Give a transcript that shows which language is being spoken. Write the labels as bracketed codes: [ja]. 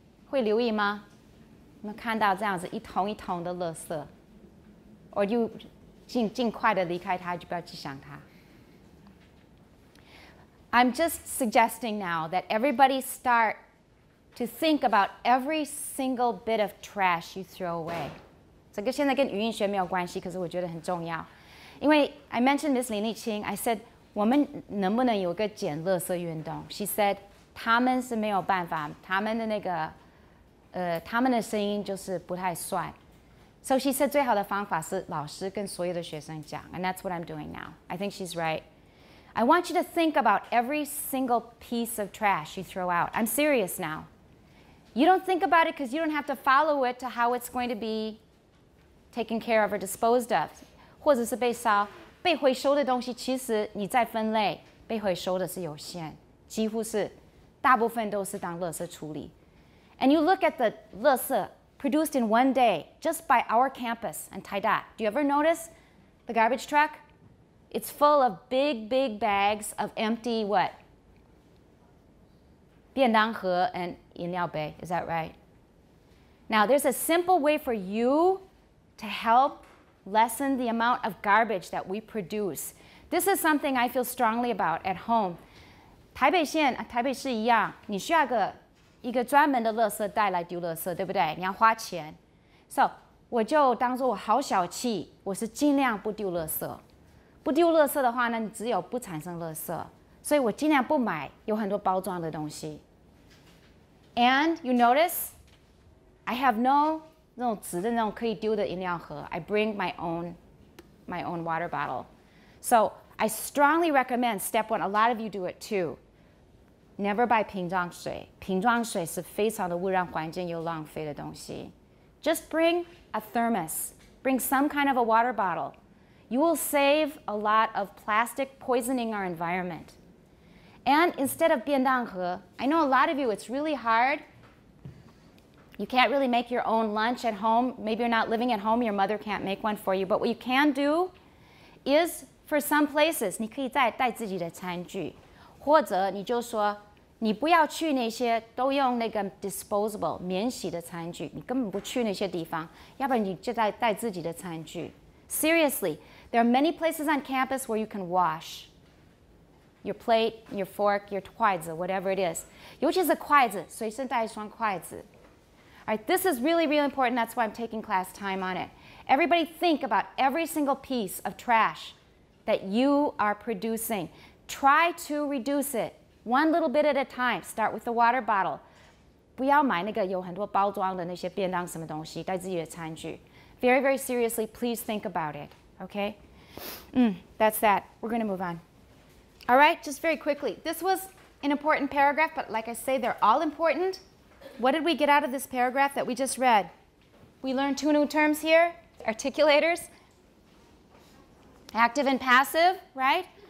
[zh] 会留意吗？你们看到这样子一桶一桶的垃圾 ？ [en] Or do you [zh] 尽快的离开它，就不要去想它。 [en] I'm just suggesting now that everybody start. To think about every single bit of trash you throw away. [zh] 这个现在跟语音学没有关系，可是我觉得很重要。因为 [en] I mentioned Miss [zh] 林丽清 [en] I said, [zh] 我们能不能有个捡垃圾运动 [en] She said, [zh] 他们是没有办法，他们的那个，他们的声音就是不太帅。 [en] So she said, [zh] 最好的方法是老师跟所有的学生讲 [en] And that's what I'm doing now. I think she's right. I want you to think about every single piece of trash you throw out. I'm serious now. You don't think about it because you don't have to follow it to how it's going to be taken care of or disposed of. [zh] 或者是被烧，被回收的东西其实你在分类，被回收的是有限，几乎是大部分都是当垃圾处理。 [en] And you look at the 垃圾 produced in one day just by our campus and Taida. Do you ever notice the garbage truck? It's full of big, big bags of empty, what? 便当盒 and 饮料杯, is that right? Now, there's a simple way for you to help lessen the amount of garbage that we produce. This is something I feel strongly about at home. [zh] 台北县、台北市一样，你需要一个专门的垃圾袋来丢垃圾，对不对？你要花钱。 So, 我就当作我好小气，我是尽量不丢垃圾。不丢垃圾的话呢，你只有不产生垃圾，所以我尽量不买有很多包装的东西。 [en] And you notice, I have no [zh] 那种纸的那种可以丢的饮料盒。 [en] I bring my own water bottle. So I strongly recommend step one. A lot of you do it too. Never buy 瓶装水。 [zh] 瓶装水是非常的污染环境又浪费的东西。 [en] Just bring a thermos. Bring some kind of a water bottle. You will save a lot of plastic poisoning our environment. And instead of 便当盒, I know a lot of you, it's really hard. You can't really make your own lunch at home. Maybe you're not living at home, your mother can't make one for you. But what you can do is, for some places, [zh] 你可以再带自己的餐具。或者你就说,你不要去那些都用那个 disposable, 免洗的餐具。你根本不去那些地方,要不然你就带自己的餐具。 [en] Seriously, there are many places on campus where you can wash your plate, your fork, your 筷子, whatever it is. [zh] 尤其是筷子,随身带一双筷子. [en] All right, this is really, really important. That's why I'm taking class time on it. Everybody think about every single piece of trash that you are producing. Try to reduce it one little bit at a time. Start with the water bottle. [zh] 不要买那个有很多包装的那些便当什么东西,带自己的餐具。 [en] Very, very seriously, please think about it, okay? That's that. We're going to move on. All right, just very quickly. This was an important paragraph, but like I say, they're all important. What did we get out of this paragraph that we just read? We learned two new terms here, articulators. Active and passive, right?